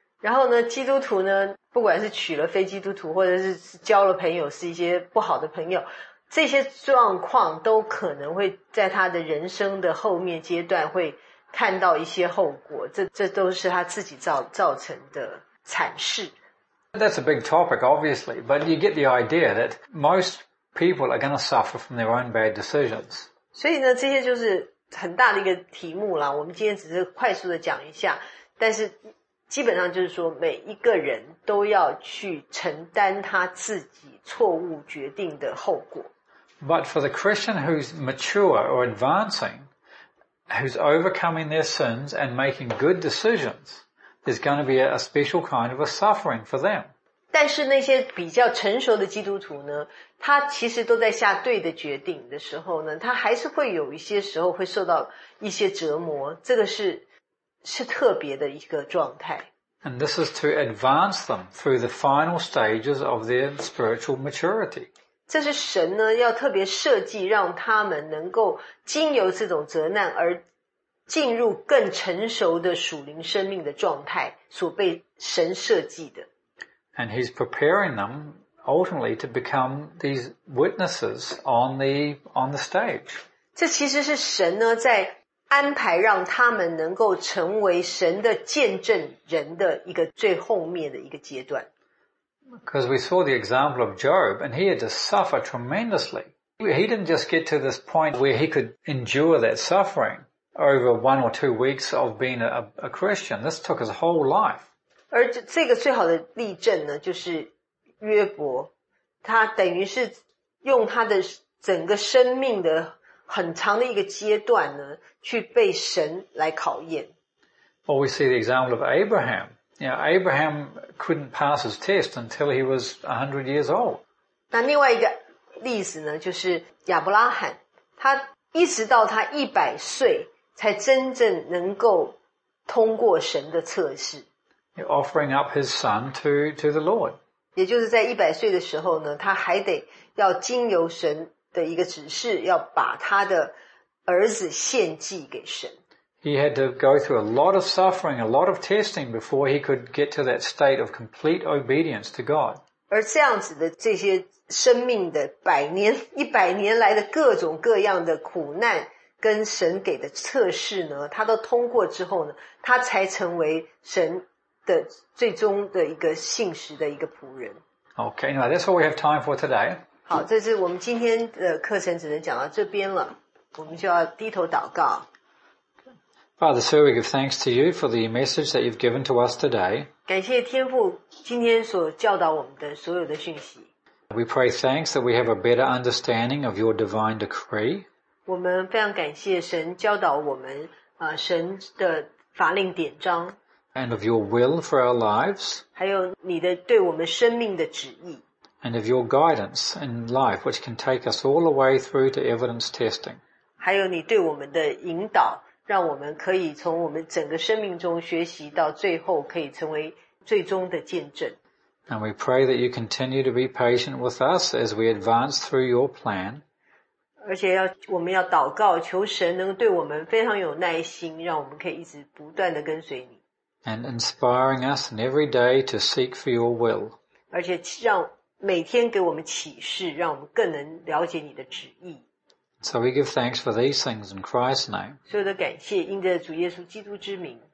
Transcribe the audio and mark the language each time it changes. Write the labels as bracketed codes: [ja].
[zh] 然后呢，基督徒呢，不管是娶了非基督徒，或者是交了朋友，是一些不好的朋友，这些状况都可能会在他的人生的后面阶段会看到一些后果。这都是他自己造成的惨事。 [en] That's a big topic, obviously, but you get the idea that most people are going to suffer from their own bad decisions. [zh] 所以呢，这些就是很大的一个题目啦。我们今天只是快速的讲一下，但是基本上就是说每一个人都要去承担他自己错误决定的后果。 [en] But for the Christian who's mature or advancing, who's overcoming their sins and making good decisions, there's going to be a special kind of a suffering for them. [zh] 但是那些比较成熟的基督徒呢，他其实都在下对的决定的时候呢，他还是会有一些时候会受到一些折磨，这个是特别的一个状态。 [en] And this is to advance them through the final stages of their spiritual maturity. [zh] 这是神呢要特别设计让他们能够经由这种责难而进入更成熟的属灵生命的状态所被神设计的。 [en] And he's preparing them ultimately to become these witnesses on the stage. [zh] 这其实是神呢在安排让他们能够成为神的见证人的一个最后面的一个阶段。 [en] Because we saw the example of Job, and he had to suffer tremendously. He didn't just get to this point where he could endure that suffering over one or two weeks of being a Christian. This took his whole life. [zh] 而这个最好的例证呢，就是约伯，他等于是用他的整个生命的很长的一个阶段呢，去被神来考验。 [en] Well, we see the example of Abraham. You know, Abraham couldn't pass his test until he was 100 years old. [zh] 那另外一个例子呢，就是亚伯拉罕，他一直到他100岁才真正能够通过神的测试。 [en] You're offering up his son to the Lord. [zh] 也就是在100岁的时候呢，他还得要经由神的一个指示，要把他的儿子献祭给神。 [en] He had to go through a lot of suffering, a lot of testing before he could get to that state of complete obedience to God. [zh] 而这样子的这些生命的百年、一百年来的各种各样的苦难跟神给的测试呢，他都通过之后呢，他才成为神的最终的一个信实的一个仆人。 [en] Okay, now that's all we have time for today. [zh] 好，这是我们今天的课程只能讲到这边了。我们就要低头祷告。 [en] Father, sir, we give thanks to you for the message that you've given to us today. [zh] 感谢天父今天所教导我们的所有的讯息。 [en] We pray thanks that we have a better understanding of your divine decree. [zh] 我们非常感谢神教导我们神的法令典章。 [en] And of your will for our lives. [zh] 还有你的对我们生命的旨意。 [en] And of your guidance in life, which can take us all the way through to evidence testing. [zh] 还有你对我们的引导，让我们可以从我们整个生命中学习到最后可以成为最终的见证。 [en] And we pray that you continue to be patient with us as we advance through your plan. [zh] 而且我们要祷告，求神能对我们非常有耐心，让我们可以一直不断地跟随你。 [en] And inspiring us in every day to seek for your will. [zh] 而且让每天给我们启示，让我们更能了解你的旨意。 [en] So we give thanks for these things in Christ's name. [zh] 所有的感谢，因着主耶稣基督之名。